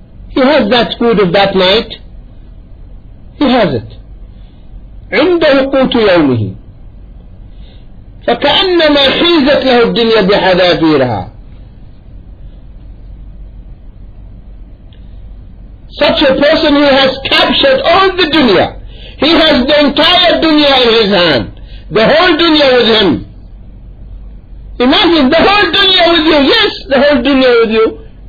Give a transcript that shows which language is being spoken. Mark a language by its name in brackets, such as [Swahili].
[English] He has that food of that night, he has it. [Arabic] عنده قوت يومه فكأنما حيزت له الدنيا بحذافيرها. [English] Such a person, he has captured all the dunya. He has the entire dunya in his hand. The whole dunya with him. Imagine, the whole dunya with you. Yes, the whole dunya with you.